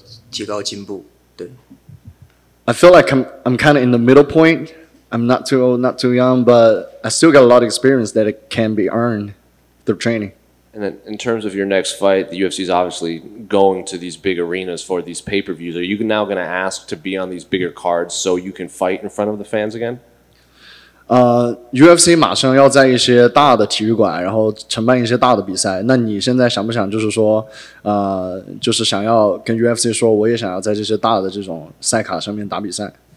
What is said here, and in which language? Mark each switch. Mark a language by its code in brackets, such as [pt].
[zh] 里面，嗯，我觉得可能就比较中间吧，还不算年轻，也不算老，所以就还有很多经验需要学习，需要提高进步。对，I [en] feel like I'm kind of in the middle point. I'm not too young, but I still got a lot of experience that it can be earned through training. And then in terms of your next fight, the UFC is obviously going to these big arenas for these pay-per-views. Are you now going to ask to be on these bigger cards so you can fight in front of the fans again? [zh] UFC 马上要在一些大的体育馆，然后承办一些大的比赛。那你现在想不想就是说，就是想要跟 UFC 说，我也想要在这些大的这种赛卡上面打比赛？